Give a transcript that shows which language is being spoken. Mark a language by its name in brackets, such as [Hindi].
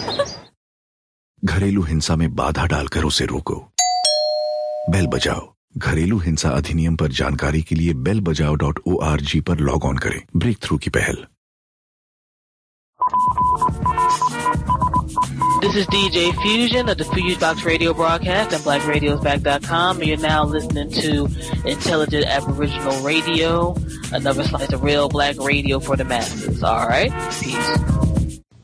[Hindi] घरेलू हिंसा में बाधा डालकर उसे रोको. बेल बजाओ. घरेलू हिंसा अधिनियम पर जानकारी के लिए bellbajao.org पर लॉग ऑन करें. ब्रेक थ्रू की पहल. [English] This is DJ Fusion of the Fuse Box Radio Broadcast at blackradiosback.com. You're now listening to Intelligent Aboriginal Radio, another slice of real black radio for the masses. All right, peace.